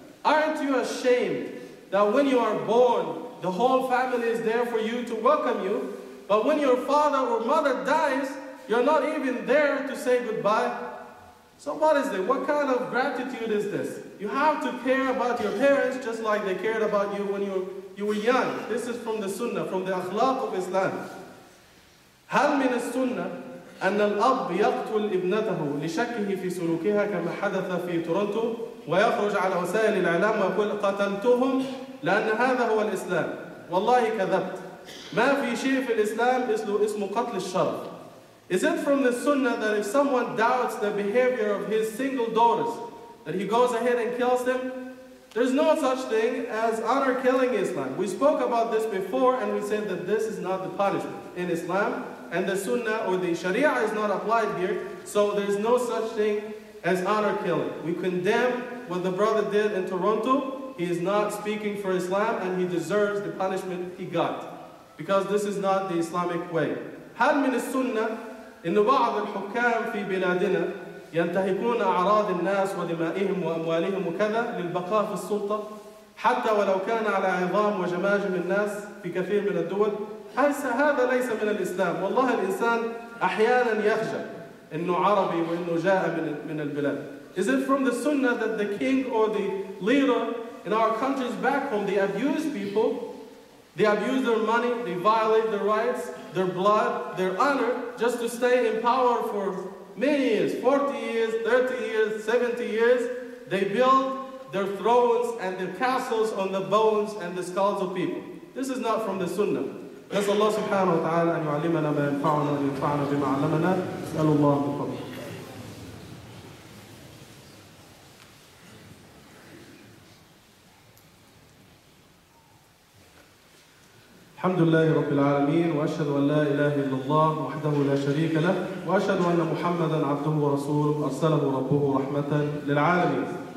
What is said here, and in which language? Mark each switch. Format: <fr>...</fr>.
<en>Aren't you ashamed that when you are born, the whole family is there for you to welcome you, but when your father or mother dies, you're not even there to say goodbye? So what is this? What kind of gratitude is this? You have to care about your parents just like they cared about you when you were young. This is from the sunnah, from the akhlaq of Islam.</en> <ar>هل من السنة أن الأب يقتل ابنته لشكه في سلوكها كما حدث في تورونتو ويخرج على وسائل الإعلام ويقول قتلتهم لأن هذا هو الإسلام؟ والله كذبت، ما في شيء في الإسلام اسمه قتل الشرف.</ar> <en>Is it from the sunnah that if someone doubts the behavior of his single daughters that he goes ahead and kills them? There's no such thing as honor killing Islam. We spoke about this before and we said that this is not the punishment in Islam. And the sunnah or the sharia is not applied here, so there is no such thing as honor killing. We condemn what the brother did in Toronto. He is not speaking for Islam and he deserves the punishment he got, because this is not the Islamic way.</en> <ar>هل من السنة إن بعض الحكام في بلادنا ينتهكون أعراض الناس ودمائهم وأموالهم وكذا للبقاء في السلطة حتى ولو كان على عظام وجماجم الناس في كثير من الدول؟ هذا ليس من الإسلام. والله الإنسان أحيانا يخجل أنه عربي وأنه جاء من البلاد.</ar> <en>Is it from the sunnah that the king or the leader in our countries back home, they abuse people, they abuse their money, they violate their rights, their blood, their honor, just to stay in power for many years, 40 years, 30 years, 70 years, they build their thrones and their castles on the bones and the skulls of people? This is not from the sunnah.</en> <ar>نسأل الله سبحانه وتعالى أن يعلمنا ما ينفعنا وأن ينفعنا بما علمنا. نسأل الله من فضله. الحمد لله رب العالمين، وأشهد أن لا إله إلا الله وحده لا شريك له، وأشهد أن محمدًا عبده ورسوله أرسله ربه رحمة للعالمين.</ar>